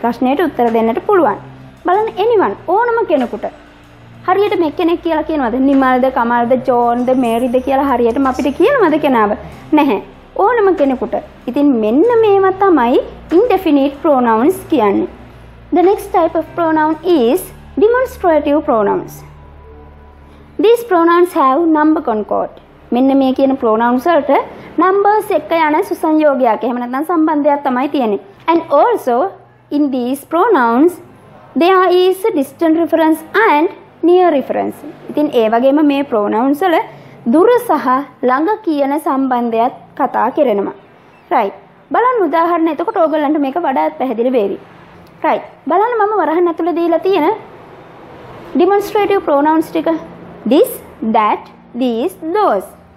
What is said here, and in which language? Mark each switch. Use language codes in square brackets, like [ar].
[si] ප්‍රශ්නයට උත්තර දෙන්නට පුළුවන්. බලන්න anyone ඕනම කෙනෙකුට හරියට මෙකෙනෙක් කියලා කියනවද? නිමල්ද, කමල්ද, ජෝන්ද, මේරිද කියලා හරියටම අපිට කියනවද කෙනාව? නැහැ. ඕනම කෙනෙකුට. ඉතින් මෙන්න මේවා තමයි indefinite pronouns කියන්නේ. [en] The next type of pronoun is demonstrative pronouns. These pronouns have number concord. [si] මෙන්න මේ කියන pronouns වලට numbers එක යන සුසංයෝගයක් එහෙම නැත්නම් සම්බන්ධයක් තමයි තියෙන්නේ. [en] And also in these pronouns there is a distant reference and near reference. [si] ඉතින් ඒ වගේම මේ pronouns වල දුර සහ ළඟ කියන සම්බන්ධයත් කතා කරනවා. රයිට්. බලන්න උදාහරණ එතකොට ඕගලන්ට මේක වඩාත් පැහැදිලි වෙවි. රයිට්. බලන්න මම වරහන් ඇතුළේ දීලා තියෙන demonstrative pronouns ටික this, that, these, those.